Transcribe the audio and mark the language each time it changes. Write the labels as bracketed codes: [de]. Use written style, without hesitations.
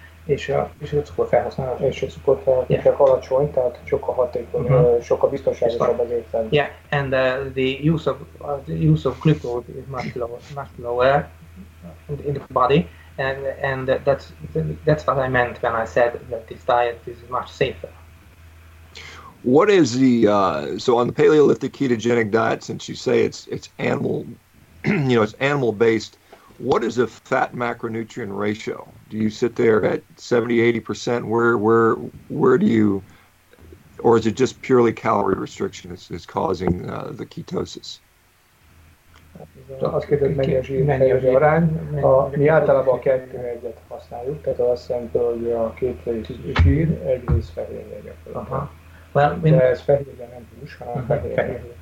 [hu] alacsony, tehát sokkal hatékony, sokkal biztonságosabb az étel. [en] Yeah, and the use of glucose is much lower in the body. And that's what I meant when I said that this diet is much safer. What is the so on the Paleolithic ketogenic diet? Since you say it's animal, you know, it's animal based. What is a fat macronutrient ratio? Do you sit there at 70-80%? Where do you, or is it just purely calorie restriction is causing the ketosis? [hu] Azt kérdezik, mennyi a zsír arány. Mi általában a 2-1-et használjuk, tehát azt jelenti, hogy a két zsír egy rész fehérje gyakorlatilag. De ez fehérje, nem hús, hanem fehérje.